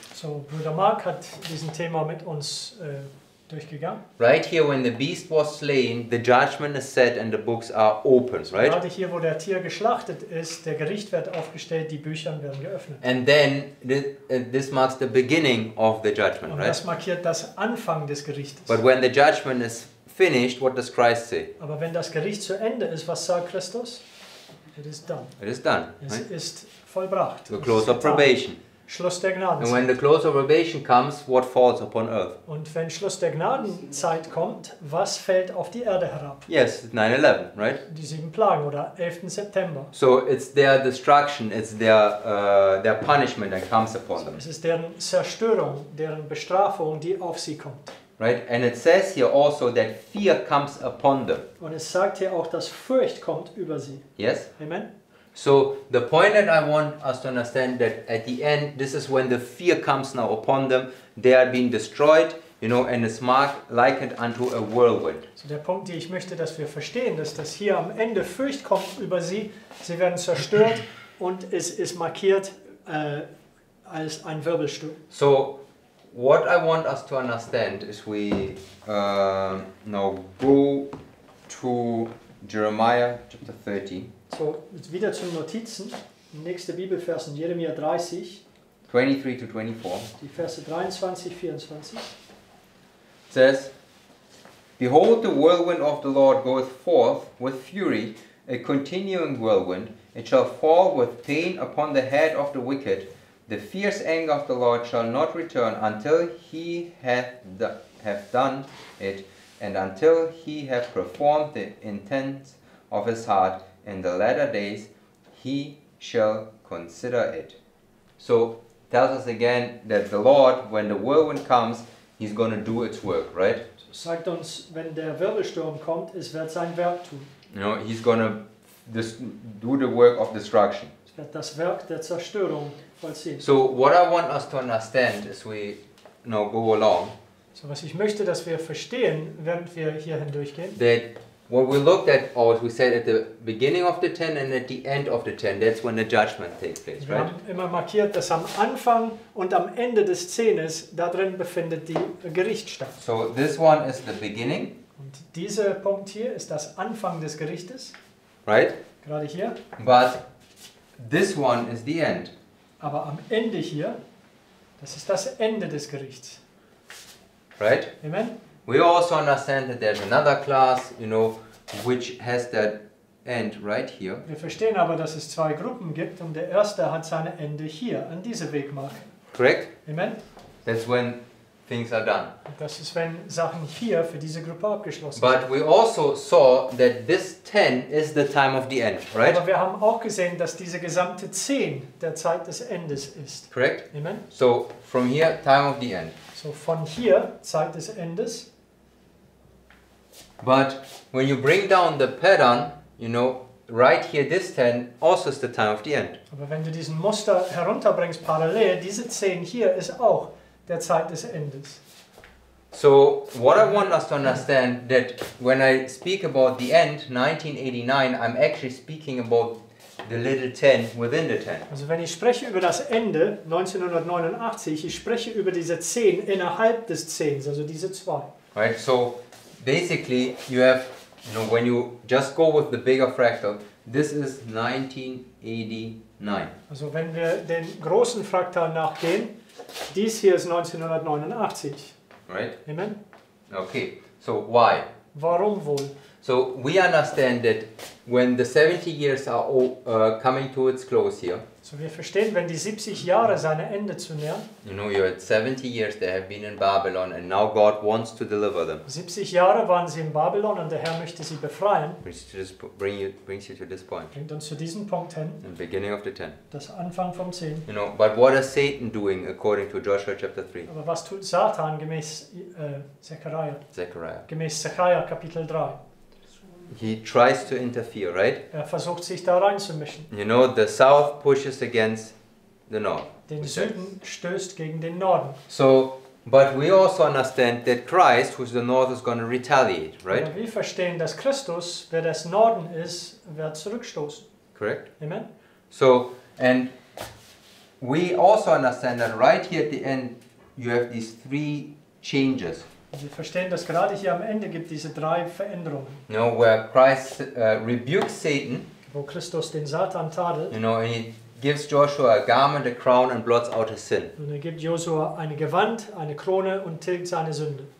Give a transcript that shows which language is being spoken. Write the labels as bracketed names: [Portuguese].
[German] So Brother Mark hat diesen Thema mit uns durchgegangen. [English] Right here when the beast was slain, the judgment is set and the books are opened, right? [German] Gerade hier, wo der Tier geschlachtet ist, der Gericht wird aufgestellt, die Bücher werden geöffnet. [English] And then this marks the beginning of the judgment, [German] und [English] right? [German] Das markiert das Anfang des Gerichtes. [English] But when the judgment is finished, what does Christ say? [German] Aber wenn das Gericht zu Ende ist, was sagt Christus? [English] It is done. It is done. [German] Es [English] right? [German] ist vollbracht. [English] The close of probation. [German] Schluss der Gnadenzeit. [English] And when the close of probation comes, what falls upon earth? [German] Und wenn Schluss der Gnadenzeit kommt, was fällt auf die Erde herab? [English] Yes, 9/11, right? [German] Die sieben Plagen oder 11. September. [English] So it's their destruction, it's their punishment that comes upon them. [German] Es ist deren Zerstörung, deren Bestrafung, die auf sie kommt. [English] Right? And it says here also that fear comes upon them. [German] Und es sagt hier auch, dass Furcht kommt über sie. [English] Yes. Amen. So the point that I want us to understand that at the end, this is when the fear comes now upon them. They are being destroyed, you know, and it's marked likened unto a whirlwind. [German] So der Punkt, den ich möchte, dass wir verstehen, dass das hier am Ende Furcht kommt über sie. Sie werden zerstört und es ist markiert als ein Wirbelsturm. [English] So what I want us to understand is we now go to Jeremiah chapter 13. [German] So, wieder zu den Notizen. Nächste Bibelvers in Jeremia 30. [English] 23 to 24. [German] Die Verse 23, 24. [English] It says, behold, the whirlwind of the Lord goeth forth with fury, a continuing whirlwind. It shall fall with pain upon the head of the wicked. The fierce anger of the Lord shall not return until he hath done it, and until he hath performed the intent of his heart. In the latter days, he shall consider it. So, tells us again that the Lord, when the whirlwind comes, he's going to do its work, right? [German] Sagt uns, wenn der Wirbelsturm kommt, es wird sein Werk tun. [English] You know, he's going to do the work of destruction. [German] Es wird das Werk der Zerstörung vollziehen. [English] So, what I want us to understand as we now go along. [German] So, was ich möchte, dass wir verstehen, während wir hier hindurchgehen. [English] That What we looked at, or we said at the beginning of the ten and at the end of the ten, that's when the judgment takes place, right? [German] Wir haben immer markiert, dass am Anfang und am Ende des Zehnes darin befindet die Gericht statt. [English] So this one is the beginning. [German] Und dieser Punkt hier ist das Anfang des Gerichtes. [English] Right? [German] Gerade hier. [English] But this one is the end. [German] Aber am Ende hier, das ist das Ende des Gerichts. [English] Right? Amen. We also understand that there's another class, you know, which has that end right here. [German] Wir verstehen aber, dass es zwei Gruppen gibt und der erste hat seine Ende hier, an dieser Wegmark. [English] Correct? Amen. That's when things are done. [German] Das ist, wenn Sachen hier für diese Gruppe abgeschlossen sind. [English] But we also saw that this 10 is the time of the end, right? [German] Aber wir haben auch gesehen, dass diese gesamte 10 der Zeit des Endes ist. [English] Correct? Amen. So, from here, time of the end. [German] So von hier Zeit des Endes. [English] But when you bring down the pattern, you know, right here this 10 also is the time of the end. [German] Aber wenn du diesen Muster herunterbringst parallel, diese 10 hier ist auch der Zeit des Endes. [English] So what I want us to understand that when I speak about the end 1989, I'm actually speaking about the little 10 within the 10. [German] Also wenn ich spreche über das Ende 1989, ich spreche über diese 10 innerhalb des 10, also diese 2. [English] Right, so basically you have, you know, when you just go with the bigger fractal, this is 1989. [German] Also wenn wir den großen Fraktal nachgehen, dies hier ist 1989. [English] Right. Amen. Okay, so why? [German] Warum wohl? [English] So we understand that when the 70 years are all, coming to its close here. [German] So wir verstehen, wenn die 70 Jahre seine Ende zu nähern. [English] You know, you're at 70 years they have been in Babylon and now God wants to deliver them. [German] 70 Jahre waren sie in Babylon und der Herr möchte sie befreien. [English] Brings you to this point. [German] Bringt uns zu diesem Punkt hin. [English] The beginning of the 10. [German] Das Anfang vom 10. [English] You know, but what is Satan doing according to Joshua chapter 3? [German] Aber was tut Satan gemäß Zechariah? [English] Zechariah. [German] Gemäß Zechariah Kapitel 3. [English] He tries to interfere, right? [German] Er versucht sich da reinzumischen. [English] You know, the south pushes against the north. [German] Den Süden stößt gegen den Norden. [English] So, but we also understand that Christ, who's the north, is going to retaliate, right? [German] Aber wir verstehen, dass Christus, wer das Norden ist, wird zurückstoßen. [English] Correct. Amen. So, and we also understand that right here at the end, you have these three changes. [German] Wir verstehen, dass gerade hier am Ende gibt diese drei Veränderungen. [English] You know, where Christ rebukes Satan. [German] Wo Christus den Satan tadelt. [English] You know, and he gives Joshua a garment, a crown and blots out his sin. [German] Und er gibt Joshua eine Gewand, eine Krone und tilgt seine Sünde.